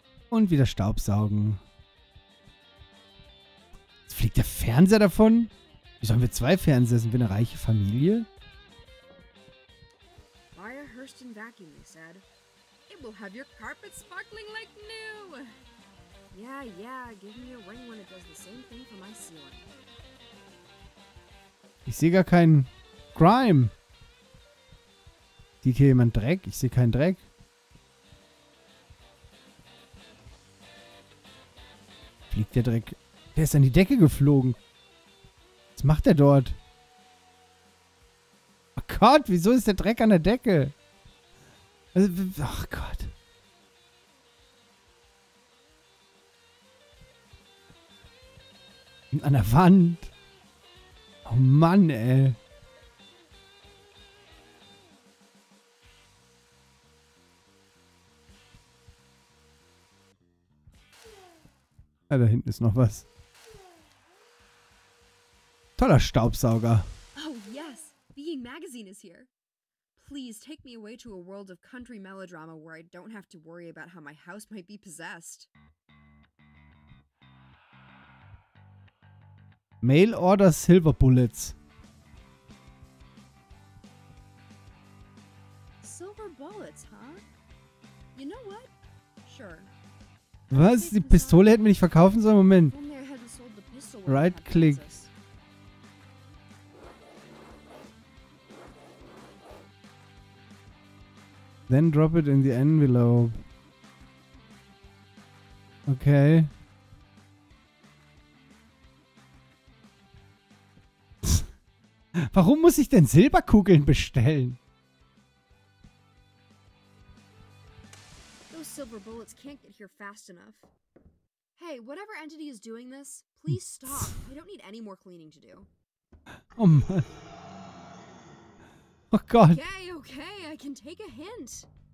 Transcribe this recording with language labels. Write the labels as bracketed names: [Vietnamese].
[German] Und wieder Staubsaugen. Jetzt fliegt der Fernseher davon? Wieso haben wir zwei Fernseher? Sind wir eine reiche Familie? [English] Buy a Hurston vacuum, they said. It will have your carpet sparkling like new. Yeah, yeah, give me a ring when it does the same thing for my ceiling. [German] Ich sehe gar keinen Crime. Sieht hier jemand Dreck? Ich sehe keinen Dreck. Fliegt der Dreck? Der ist an die Decke geflogen. Was macht der dort? Oh Gott, wieso ist der Dreck an der Decke? Ach Gott. An der Wand. Oh Mann, ey. Ja, da hinten ist noch was. Toller Staubsauger. [English] Oh yes, Being Magazine is here. Please take me away to a world of country melodrama where I don't have to worry about how my house might be possessed. Mail order silver bullets. Silver bullets, huh? You know what? Sure. [German] Was? Die Pistole hätten wir nicht verkaufen sollen? [English] Moment. Right click. Then drop it in the envelope. Okay. [German] Warum muss ich denn Silberkugeln bestellen? [English] Those silver bullets can't get here fast enough. Hey, whatever entity is doing this, please stop. I don't need any more cleaning to do. [German] Oh Mann. Oh Gott. [English] Okay, okay, I can take a hint.